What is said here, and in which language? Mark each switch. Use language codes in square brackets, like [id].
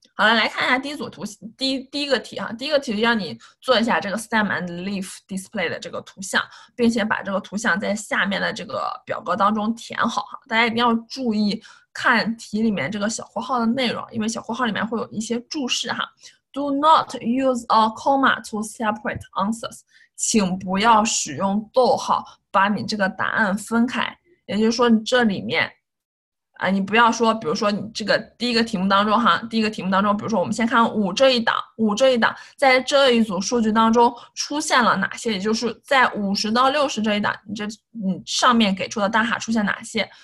[zh] 好了，来看一下第一组图，第一个题哈，第一个题就让你做一下这个 stem and leaf display 的这个图像，并且把这个图像在下面的这个表格当中填好哈。大家一定要注意看题里面这个小括号的内容，因为小括号里面会有一些注释哈。 [en] Do not use a comma to separate answers. [zh] 请不要使用逗号把你这个答案分开。也就是说，你这里面，你不要说，比如说你这个第一个题目当中哈，第一个题目当中，比如说我们先看五这一档，五这一档在这一组数据当中出现了哪些？也就是在50到60这一档，你上面给出的 data 出现哪些？